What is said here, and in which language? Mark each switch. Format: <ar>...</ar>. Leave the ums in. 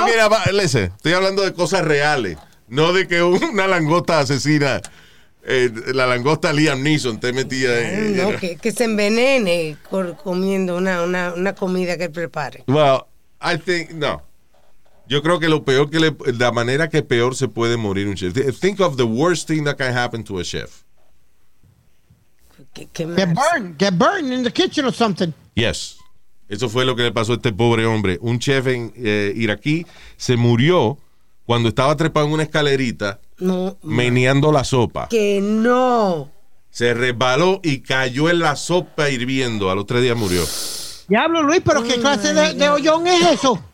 <en>talking about- listen,</en> <es>estoy hablando de cosas reales, no de que una langosta asesina, eh, la langosta Liam Neeson te metía en... No, que, que se envenene por comiendo una, una, una comida que prepare.</es> <en>Well, I think, no.</en> <es>Yo creo que lo peor que le, la manera que peor se puede morir un chef.</es> <en>Think of the worst thing that can happen to a chef.</en> <es>Que, que</es> <en>Get</en> <es>mal.</es> <en>burned. Get burned in the kitchen or something. Yes.</en> <es>Eso fue lo que le pasó a este pobre hombre. Un chef en, eh, iraquí se murió cuando estaba trepado en una escalerita No, meneando la sopa. que no. Se resbaló y cayó en la sopa hirviendo. A los tres días murió. Diablo, Luis, pero ¿qué clase de, de hoyón es eso?</es>